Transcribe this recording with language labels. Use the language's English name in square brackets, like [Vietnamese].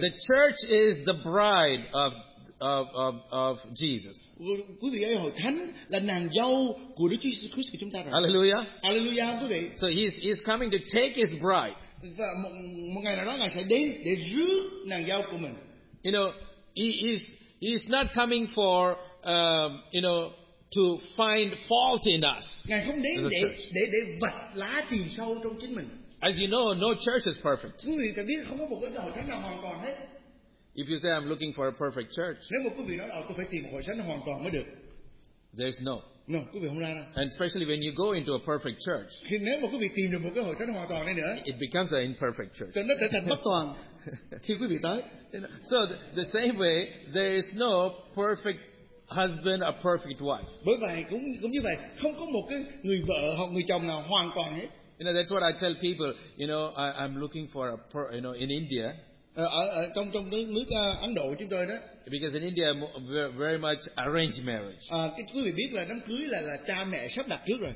[English] The church is the bride of Jesus. [Vietnamese] Quý vị ơi, hội thánh là nàng dâu của Đức Chúa Christ của chúng ta rồi. [English] Hallelujah. [Vietnamese] Hallelujah, quý vị. [English] So he's coming to take his bride. [Vietnamese] Và một ngày nào đó ngài sẽ đến để rước nàng dâu của mình. [English] You know, he's not coming for you know to find fault in us. [Vietnamese] Ngài không đến để vạch lá tìm sâu trong chính mình. [English] As you know, no church is perfect. [Vietnamese] Quý vị ta biết không có một cái hội thánh nào hoàn toàn hết. [English] If you say I'm looking for a perfect church, [Vietnamese] nếu mà quý vị nói tôi phải tìm hội thánh hoàn toàn mới được. [English] There's no. [Vietnamese] No, quý vị không ra đâu. [English] And especially when you go into a perfect church, [Vietnamese] khi nếu mà quý vị tìm được một cái hội thánh hoàn toàn này nữa, [English] it becomes an imperfect church. [Vietnamese] Cho nó trở thành bất toàn khi quý vị tới. [English] So the same way, there is no perfect husband or perfect wife. [Vietnamese] Bởi vậy cũng như vậy, không có một cái người vợ hoặc người chồng nào hoàn toàn hết. [English] You know, that's what I tell people. You know, I'm looking for a you know in India. [Vietnamese] Trong nước Ấn Độ chúng tôi đó. [English] Because in India very much arranged marriage. [Vietnamese] Quý vị biết là đám cưới là cha mẹ sắp đặt trước rồi.